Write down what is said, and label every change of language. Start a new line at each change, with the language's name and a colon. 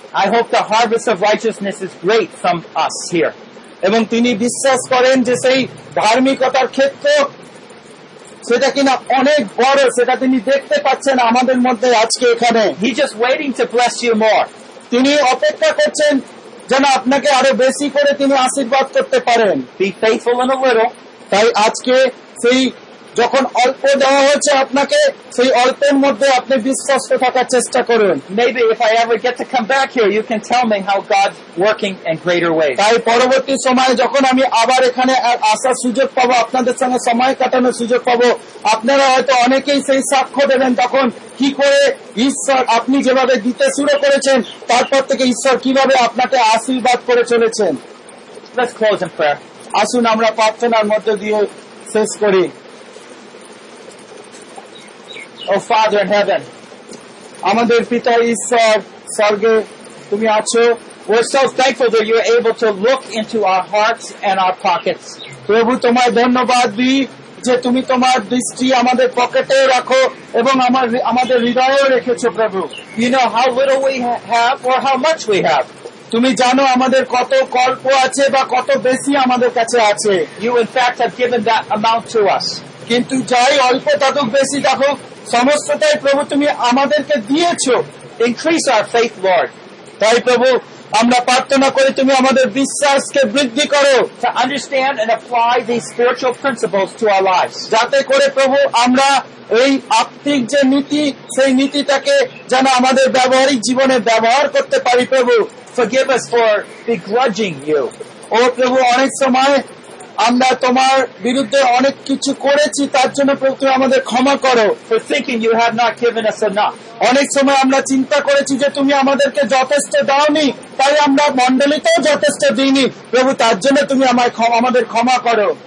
English: I hope the harvest of righteousness is great from us here.
Bangla: এবং তিনি বিশ্বাস করেন যে সেই ধার্মিকতার ক্ষেত্র সেটা কিনা অনেক বড়, সেটা তিনি দেখতে পাচ্ছেন আমাদের মধ্যে আজকে এখানে।
English: He just waiting to bless you more.
Bangla: তিনি অপেক্ষা করছেন যেন আপনাকে আরো বেশি করে তিনি আশীর্বাদ করতে পারেন।
English: Be faithful in a little.
Bangla: তাই আজকে সেই যখন অল্প দেওয়া হয়েছে আপনাকে সেই অল্পের মধ্যে আপনি বিশ্বস্ত থাকার চেষ্টা করুন
English: maybe if I ever get to come back here you can tell me how God's working in greater ways
Bangla: তাই পরবর্তী সময়ে যখন আমি আবার এখানে আসার সুযোগ পাবো আপনাদের সঙ্গে সময় কাটানোর সুযোগ পাবো আপনারা হয়তো অনেকেই সেই সাক্ষ্য দেবেন তখন কি করে ঈশ্বর আপনি যেভাবে দিতে শুরু করেছেন তারপর থেকে ঈশ্বর কিভাবে আপনাকে আশীর্বাদ করে চলেছেন
English: let's close in prayer
Bangla: আসুন আমরা প্রার্থনার মধ্যে দিয়ে শেষ করি
English: Oh Father in heaven
Bangla: আমাদের পিতা ঈশ্বর স্বর্গে তুমি আছো
English: we're so thankful that you're able to look into our hearts and our pockets
Bangla: প্রভু তোমায় ধন্যবাদ দিই যে তুমি তোমার দৃষ্টি আমাদের পকেটে রাখো এবং আমাদের হৃদয়ে রেখেছো প্রভু
English: you know how little we have or how much we have
Bangla: তুমি জানো আমাদের কত অল্প আছে বা কত বেশি আমাদের কাছে আছে
English: you in fact have given that amount to us
Bangla: কিন্তু যাই অল্প ততক বেশি দেখো সমস্তটাই প্রভু তুমি আমাদেরকে দিয়েছো
English: increase our faith Lord
Bangla: তাই প্রভু আমরা প্রার্থনা করি তুমি আমাদের বিশ্বাসকে বৃদ্ধি করো
English: to understand and apply the spiritual principles to our lives
Bangla: যাতে করে প্রভু আমরা এই আত্মিক যে নীতি সেই নীতিটাকে যেন আমাদের ব্যবহারিক জীবনে ব্যবহার করতে পারি প্রভু
English: forgive us for begrudging you
Bangla: ও প্রভু অনেক সময় আমরা তোমার বিরুদ্ধে অনেক কিছু করেছি তার জন্য প্রভু আমাদের ক্ষমা করো
English: thinking you have not given us enough
Bangla: অনেক সময় আমরা চিন্তা করেছি যে তুমি আমাদেরকে যথেষ্ট দাওনি তাই আমরা মণ্ডলীতেও যথেষ্ট দিইনি প্রভু তার জন্য তুমি আমাদের ক্ষমা করো